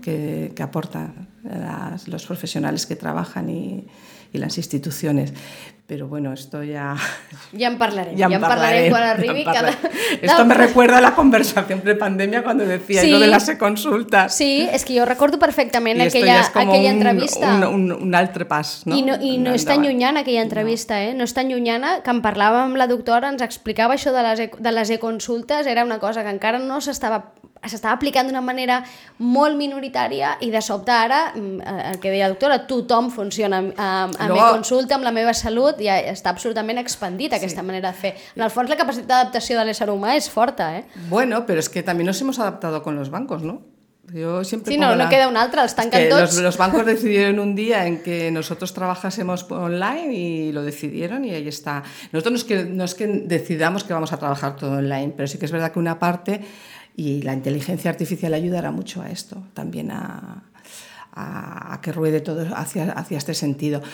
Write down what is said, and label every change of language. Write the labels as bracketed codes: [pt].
[es] que aportan los profesionales que trabajan y las instituciones. Pero bueno, esto ya... [ca] Ya en parlarem quan arribi. [es] Esto me recuerda a la conversación prepandemia cuando decía sí, lo de las consultas. Sí, es que yo recuerdo perfectamente aquella entrevista. [ca] Un altre pas, ¿no? I no és tan llunyana aquella entrevista, no. No és tan llunyana que en parlàvem amb la doctora, ens explicava això de les e-consultes, era una cosa que encara no s'estava s'estava aplicant d'una manera molt minoritària i de sobte ara, el que deia la doctora, tothom funciona amb la consulta, amb la meva salut, ja està absolutament expandit aquesta manera de fer. En el fons, la capacitat d'adaptació de l'ésser humà és forta, eh? [es] Bueno, pero es que también nos hemos adaptado con los bancos, ¿no? Yo siempre sí, [ca] no, la... no queda un altre, els tanquen tots. [es] Los bancos decidieron un día en que nosotros trabajásemos online y lo decidieron y ahí está. Nosotros no es que decidamos que vamos a trabajar todo online, pero sí que es verdad que una parte, y la inteligencia artificial ayudará mucho a esto, también a que ruede todo hacia este sentido.